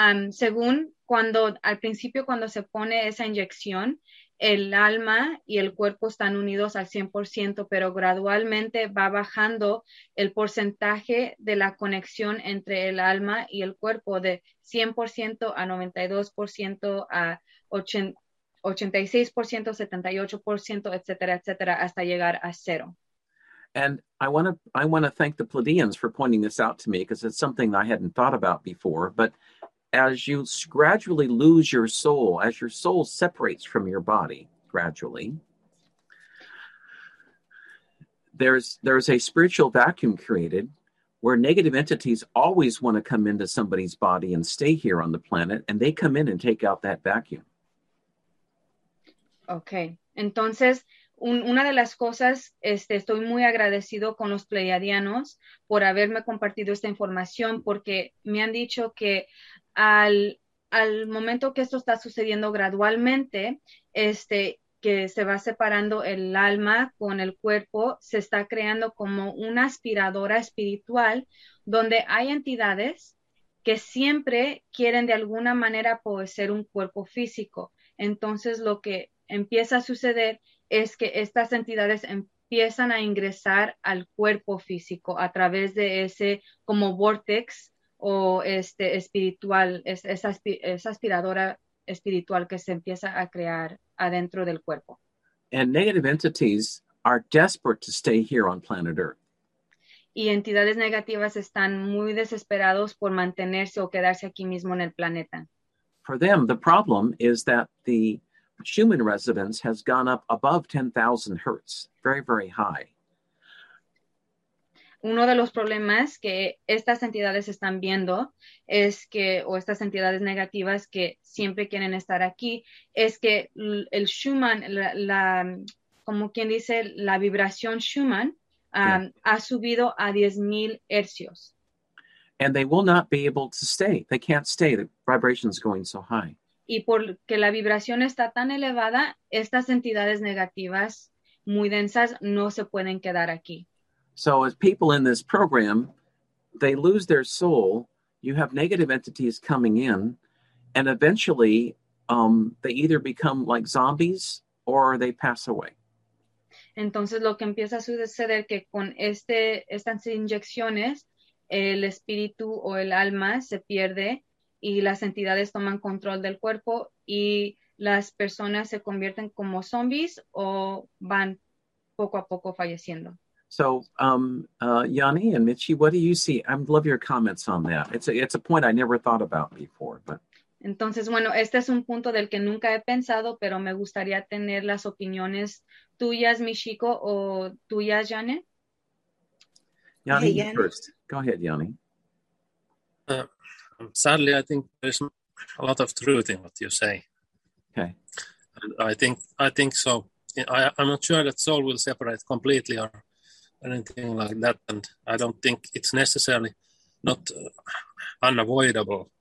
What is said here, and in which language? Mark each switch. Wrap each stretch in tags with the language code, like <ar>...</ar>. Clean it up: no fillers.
<es>Según cuando, al principio, cuando se pone esa inyección, el alma y el cuerpo están unidos al 100%, pero gradualmente va bajando el porcentaje de la conexión entre el alma y el cuerpo de 100% a 92% a 86%, 78%, etcétera, etcétera, hasta llegar a cero.</es> <en>And I want to thank the Pleiadians for pointing this out to me because it's something I hadn't thought about before, but as you gradually lose your soul, as your soul separates from your body gradually, there's a spiritual vacuum created where negative entities always want to come into somebody's body and stay here on the planet, and they come in and take out that vacuum.</en> <es>Okay, entonces, una de las cosas, estoy muy agradecido con los Pleiadianos por haberme compartido esta información, porque me han dicho que al momento que esto está sucediendo gradualmente, que se va separando el alma con el cuerpo, se está creando como una aspiradora espiritual donde hay entidades que siempre quieren de alguna manera poseer un cuerpo físico. Entonces, lo que empieza a suceder es que estas entidades empiezan a ingresar al cuerpo físico a través de ese como vortex o espiritual, esa aspiradora espiritual que se empieza a crear adentro del cuerpo.</es> <en>And negative entities are desperate to stay here on planet Earth.</en> <es>Y entidades negativas están muy desesperados por mantenerse o quedarse aquí mismo en el planeta.</es> <en>For them, the problem is that the Schumann resonance has gone up above 10,000 hertz, very, very high.</en> <es>Uno de los problemas que estas entidades están viendo es que, o estas entidades negativas que siempre quieren estar aquí, es que el Schumann, como quien dice, la vibración Schumann ha subido a 10,000 hercios.</es> <en>And they will not be able to stay. They can't stay. The vibration is going so high.</en> <es>Y porque la vibración está tan elevada, estas entidades negativas muy densas no se pueden quedar aquí.</es> <en>So as people in this program, they lose their soul, you have negative entities coming in, and eventually they either become like zombies or they pass away.</en> <es>Entonces lo que empieza a suceder que con estas inyecciones, el espíritu o el alma se pierde y las entidades toman control del cuerpo y las personas se convierten como zombies o van poco a poco falleciendo.</es> <en>So, Yanni and Michi, what do you see? I'd love your comments on that. It's a point I never thought about before. But</en> <es>entonces, bueno, este es un punto del que nunca he pensado, pero me gustaría tener las opiniones tuyas, Michiko, o tuyas, Yanni.</es> <en>Yanni, hey, Yanni. First. Go ahead, Yanni. Sadly, I think there's a lot of truth in what you say. Okay. And I think so. I'm not sure that soul will separate completely or anything like that. And I don't think it's necessarily not unavoidable.</en>